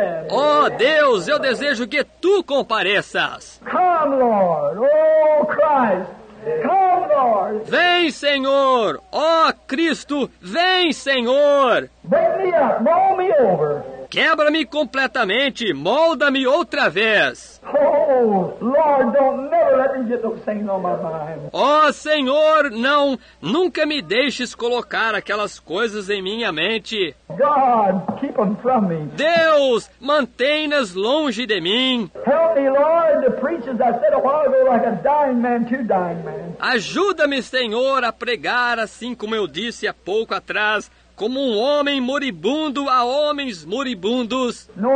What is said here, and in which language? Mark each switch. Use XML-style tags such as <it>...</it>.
<pt>Oh, Deus, eu desejo que tu compareças.</pt> <en>Come, Lord. Oh, Christ. Come, Lord.</en> <pt>Vem, Senhor. Oh, Cristo, vem, Senhor.</pt> <en>Bring me up. Roll me over.</en> <pt>Quebra-me completamente, molda-me outra vez.</pt> <en>Oh, Lord, don't never let me get those things on my mind.</en> <pt>Oh, Senhor, não, nunca me deixes colocar aquelas coisas em minha mente.</pt> <en>God, keep them from me.</en> <pt>Deus, mantém-nas longe de mim.</pt> <en>Help me, Lord, to preach as I said a while ago, like a dying man to dying man.</en> <pt>Ajuda-me, Senhor, a pregar assim como eu disse há pouco atrás, como um homem moribundo a homens moribundos.</pt>